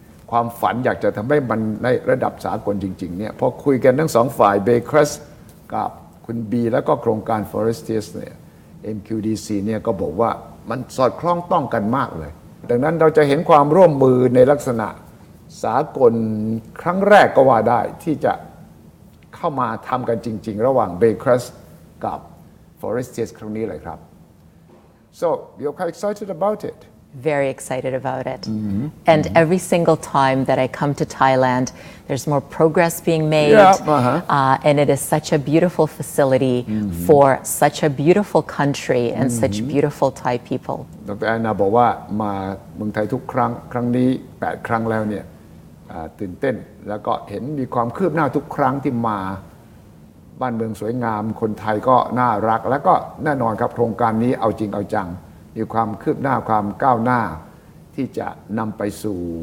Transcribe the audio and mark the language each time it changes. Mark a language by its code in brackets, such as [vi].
[th] ความฝันอยากจะทำให้มันในระดับสากลจริงๆเนี่ยพอคุยกันทั้งสองฝ่ายเบย์ครีสต์กับคุณบีแล้วก็โครงการ Forestias เนี่ย MQDC เนี่ยก็บอกว่ามันสอดคล้องต้องกันมากเลยดังนั้นเราจะเห็นความร่วมมือในลักษณะสากลครั้งแรกก็ว่าได้ที่จะเข้ามาทำกันจริงๆระหว่างเบย์ครีสต์กับForestias ครั้งนี้เลยครับ [en] So you're quite excited about it. Very excited about it. Mm-hmm. And mm-hmm. every single time that I come to Thailand, there's more progress being made. Yeah. Uh-huh. And it is such a beautiful facility mm-hmm. for such a beautiful country and mm-hmm. such beautiful Thai people. [th] ดร. แอนนาบอกว่ามาเมืองไทยทุกครั้งครั้งนี้8ครั้งแล้วเนี่ยตื่นเต้นแล้วก็เห็นมีความคืบหน้าทุกครั้งที่มาบ้านเมืองสวยงามคนไทยก็น่ารักแล้วก็แน่นอนครับโครงการนี้เอาจริงเอาจังมีความคืบหน้าความก้าวหน้าที่จะนำไปสู่